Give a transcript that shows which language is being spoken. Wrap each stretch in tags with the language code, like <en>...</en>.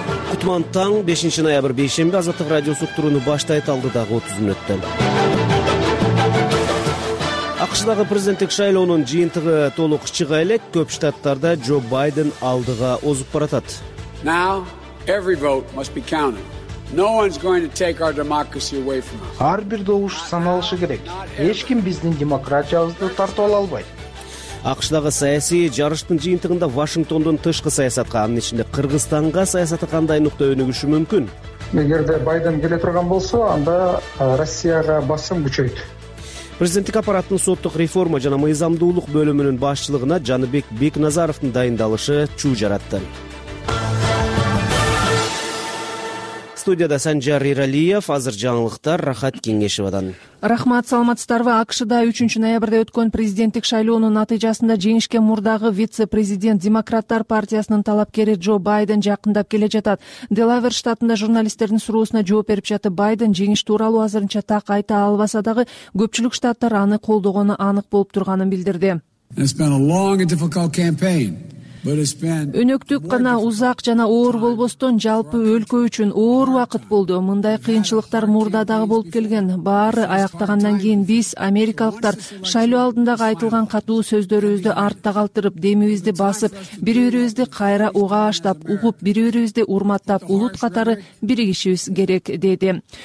<ky>Кутман таң, 5 ноябрь, бейшембе, азаттык радиосу турууну баштайт алдыдагы 30 мүнөттөн. АКШ-дагы президенттик шайлоонун жыйынтыгы толук чыга элек, көп штаттарда Джо Байден алдыга озуп баратат.</ky> <en>Now every vote must be counted. No one's going to take our democracy away from us.</en> <ky>Ар бир добуш саналышы керек. Эч ким биздин демократиябызды тартып ала албайт. АКШ-дагы саясий жарыштын жыйынтыгында Вашингтондун тышкы саясатка, анын ичинде Кыргызстанга саясаты кандай нукта өнүгүшү мүмкүн? Эгерде Байден келе турган болсо, анда Россияга басым күчөйт. Президенттик аппараттын соттук реформа жана мыйзамдуулук бөлүмүнүн башчылыгына Жаныбек Бекназаровдун дайындалышы чуу жаратты. Студияда Санжар Иралиев, азыр жаңылыктар Рахат Кеңешовадан. Рахмат, саламатсыздарбы. АКШ-да 3 ноябрда өткөн президенттик шайлоонун натыйжасында жеңишке мурдагы вице-президент Демократтар партиясынын талапкери Джо Байден жакындап келе жатат. Делавер штатында журналисттердин суроосуна жооп берип жатып, Байден жеңиш тууралуу азырынча так айта албаса дагы, көпчүлүк штаттар аны колдогону анык болуп турганын билдирди.</ky> <en>It's been a long and difficult campaign.</en> <ky>Өнөктүк гана узак жана оор болбостон жалпы өлкө үчүн оор убакыт болду. Мындай кыйынчылыктар мурда дагы болуп келген. Баары аяктагандан кийин биз америкалыктар шайлоо алдындагы айтылган катуу сөздөрүбүздү артта калтырып, демибизди басып, бири бирибизди кайра уга баштап, угуп, бири бирибизди урматтап, улут катары биригишибиз керек, деди.</ky>